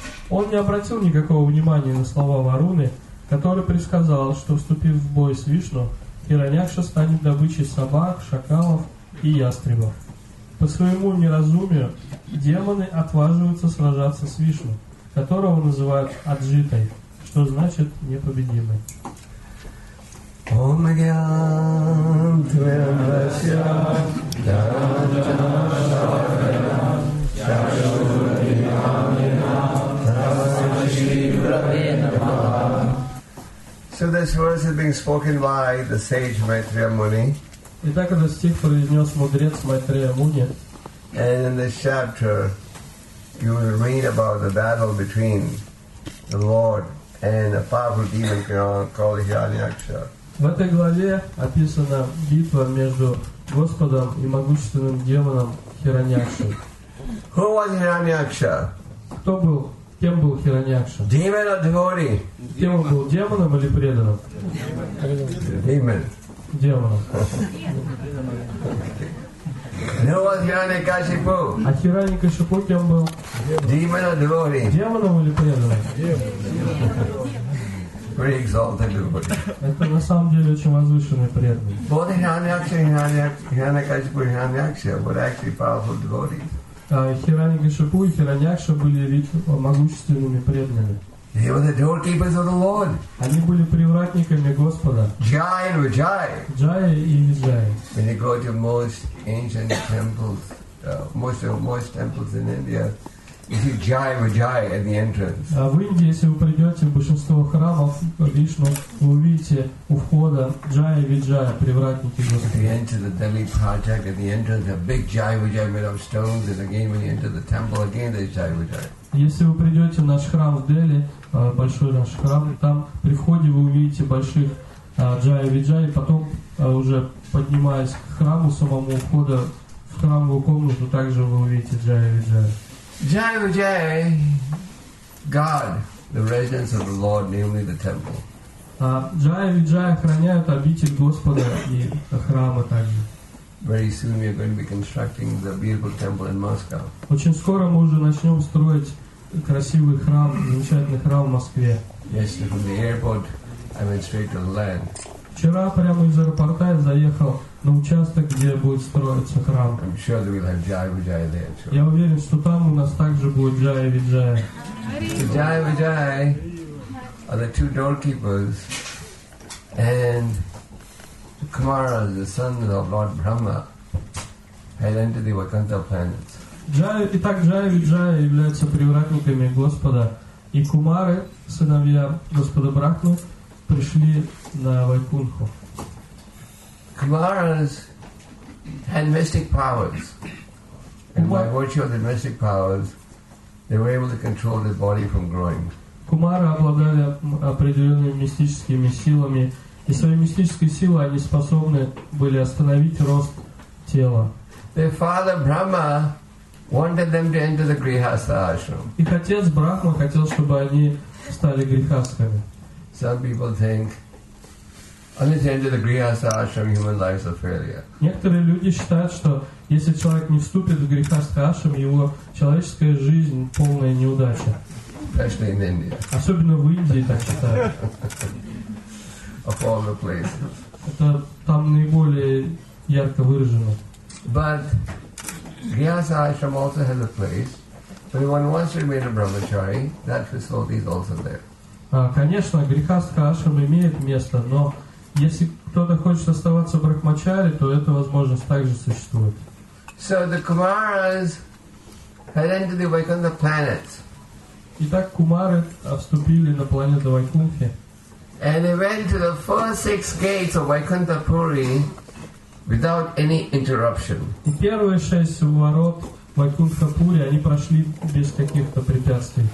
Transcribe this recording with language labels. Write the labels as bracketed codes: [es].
[ru] Он не обратил никакого внимания на слова Варуны, который предсказал, что, вступив в бой с Вишну, Хираньякша станет добычей собак, шакалов и ястребов. По своему неразумию, демоны отваживаются сражаться с Вишну, которого называют Аджитой, что значит «непобедимый». [sa] Om Gyan Tvayam Rasya Dharanjana Shakhyana Chashurdhinamina [en] So this verse is being spoken by the sage Maitreya Muni. [ru] Итак, этот стих произнес мудрец Майтрея Муни. [en] And in this chapter, you will read about the battle between the Lord and a powerful demon called Hiranyaksha. [ru] В этой главе описана битва между Господом и могущественным демоном Хираньякшей. [en] Who was Hiranyaksha? [ru] Кто был? Кем был Хираньякша? [en] Demon or devotee? [ru] Кем он был, демоном или преданным? [en] Demon. [ru] Демоном. [en] Who was Hiranyakashipu? [ru] А Хираньякашипу кем был? [en] Demon or devotee? [ru] Демоном или преданным? [en] Very exalted devotee. [ru] Это на самом деле очень возвышенный преданный. [en] Both Hiranyakasha and Hiranyakashipu and Hiranyakasha were actually powerful devotees. [ru] Хираньякшипу и Хираньякша были могущественными преданными. [en] They were the doorkeepers of the Lord. [ru] Они были привратниками Господа. [en] Jai and Vijay. [ru] Jai и Vijay. [en] When you go to most ancient temples, most temples in India, you see Jai and Vijay at the entrance. [ru] А в Индии, если вы придете в большинство храмов Вишну, вы увидите у входа [en] Jai and Vijay, [ru] привратники Господа. [en] If you enter the Delhi project at the entrance, a big Jai and Vijay made of stones, and again when you enter the temple, again there's Jai and Vijay. [ru] Если вы придете в наш храм в Дели, большой наш храм, там при входе вы увидите больших [en] Jai and Vijay, [ru] потом уже поднимаясь к храму самому входа в храмовую комнату, также вы увидите Jai and Vijay. [en] Jai Vijay, God, the residence of the Lord, namely the temple. [ru] Jai Vijay охраняют обитель Господа и храмы также. [en] Very soon we are going to be constructing the beautiful temple in Moscow. [ru] Очень скоро мы уже начнем строить красивый храм, замечательный храм в Москве. [en] Yes, from the airport, I went straight to the land. [ru] Вчера прямо из аэропорта я заехал на участок, где будет строиться храм. [en] I'm sure that we'll have Jai Vijay there, sure. [ru] Я уверен, что там у нас также будет Jai Vijay. [en] So Jai Vijay are the two doorkeepers and the Kumaras, the sons of Lord Brahma, had entered the Vaikuntha planets. [ru] Итак, Jai Vijay являются привратниками Господа. И Кумары, сыновья Господа Брахмы, пришли на Вайкунху. [en] Kumaras had mystic powers. And by virtue of the mystic powers, they were able to control their body from growing. [ru] Кумары обладали определенными мистическими силами, и своей мистической силой они способны были остановить рост тела. [en] Their father Brahma wanted them to enter the Grihastha ashram. [ru] Их отец Брахма хотел, чтобы они стали грихастхами. [en] Some people think only the end of the grihastha ashram human life is a failure. [ru] Некоторые люди считают, что если человек не вступит в грихастха ашрам, его человеческая жизнь полная неудача. [en] Especially in India. [ru] Особенно в Индии так считают. [en] Of all the places. [ru] Это там наиболее ярко выражено. [en] But grihastha ashram also has a place. But if one wants to remain a brahmachari, that facility is also there. [ru] Конечно, грихастха ашрам имеет место, но если кто-то хочет оставаться брахмачари, то эта возможность также существует. [en] So the kumaras had entered the Vaikuntha planet. [ru] Итак, кумары вступили на планету Вайкунхи. [en] And they went to the first six gates of Vaikuntha Puri without any interruption. [ru] И первые шесть ворот Вайкунтха Пури они прошли без каких-то препятствий.